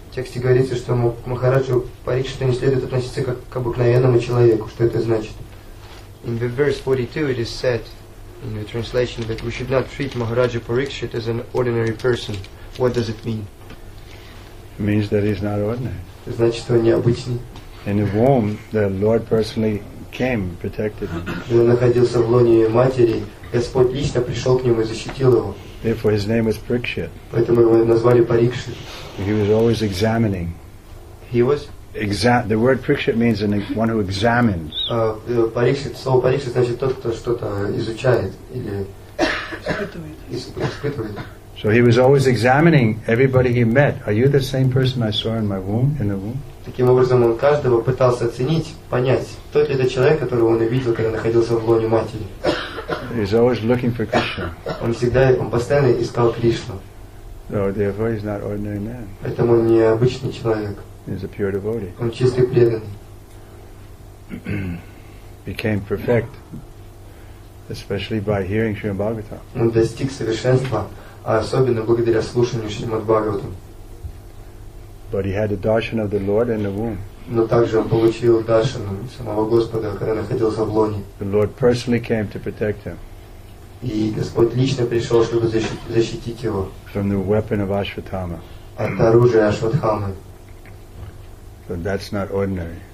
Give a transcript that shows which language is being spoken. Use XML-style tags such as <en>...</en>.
<ru>В тексте говорится, что Махараджа Парикшит не следует относиться как к обыкновенному человеку, что это значит?</ru> <en>In the verse 42 it is said in the translation that we should not treat Махараджа Парикшит as an ordinary person. What does it mean? It means that he's not ordinary.</en> <ru>Это значит, что он необычный.</ru> <en>In the womb, the Lord personally came, protected him.</en> <ru>Он находился в лоне матери, Господь лично пришел к нему и защитил его.</ru> <en>Therefore, his name was Parikshit.</en> <ru>Поэтому его назвали Парикшит.</ru> <en>He was always examining. He was? The word Parikshit means one who examines.</en> <ru>Парикшит, слово Парикшит значит тот, кто что-то изучает или испытывает.</ru> <en>So he was always examining everybody he met. Are you the same person I saw in the womb?</en> <ru>Таким образом, он каждого пытался оценить, понять, тот ли это человек, которого он увидел, когда находился в лоне матери.</ru> <en>He's always looking for Krishna.</en> <ru>Он постоянно искал Кришну.</ru> <en>So therefore, he's not ordinary man.</en> <ru>Поэтому он не обычный человек.</ru> <en>He's a pure devotee.</en> <ru>Он чистый преданный.</ru> <en>Became perfect, especially by hearing Srimad Bhagavatam.</en> <ru>Он достиг совершенства. А особенно благодаря слушанию Шримад Бхагаватам.</ru> <en>But he had the darshan of the Lord in the womb.</en> <ru>Но также он получил даршан самого Господа, когда находился в лоне.</ru> <en>The Lord personally came to protect him.</en> <ru>И Господь лично пришел, чтобы защитить его.</ru> <en>From the weapon of Ashwatthama.</en> <ru>От оружия Ашватхамы.</ru> <en>So that's not ordinary.</en>